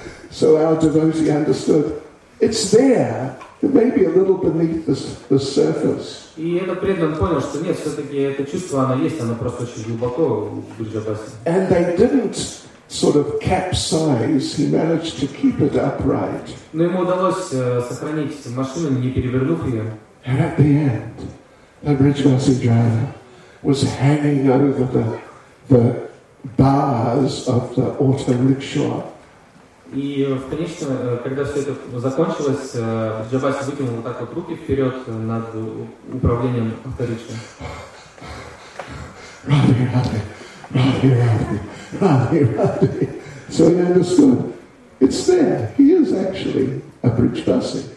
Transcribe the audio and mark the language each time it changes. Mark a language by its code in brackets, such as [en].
[en] So our devotee understood, it's there, it may be a little beneath the surface. [ru] И этот преданный понял, что нет, все-таки это чувство, оно есть, оно просто очень глубоко в Бриджабасе. [en] And they didn't sort of capsize, he managed to keep it upright. [ru] Но ему удалось сохранить машину, не перевернув ее. [en] And at the end, the Бриджабаси driver was hanging over the bars of the auto rickshaw. [ru] И в конечном, когда все это закончилось, Бриджабаси выкинул вот так вот руки вперед над управлением авторикши. Ради, ради, ради, ради, ради, ради. [en] So he understood, it's there. He is actually a Бриджабаси.